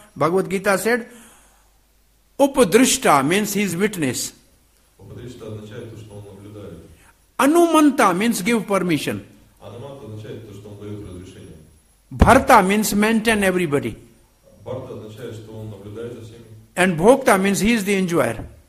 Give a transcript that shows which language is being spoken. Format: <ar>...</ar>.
<en>Bhagavad Gita said, Upadrishta means he is witness.</en> <ru>Upadrishta означает то, что он наблюдает.</ru> <en>Anumanta means give permission.</en> <ru>Anumanta означает то, что он дает разрешение.</ru> <en>Bharta means maintain everybody.</en> <ru>Bharta означает, что он наблюдает за всеми.</ru> <en>And Bhokta means he is the enjoyer.</en>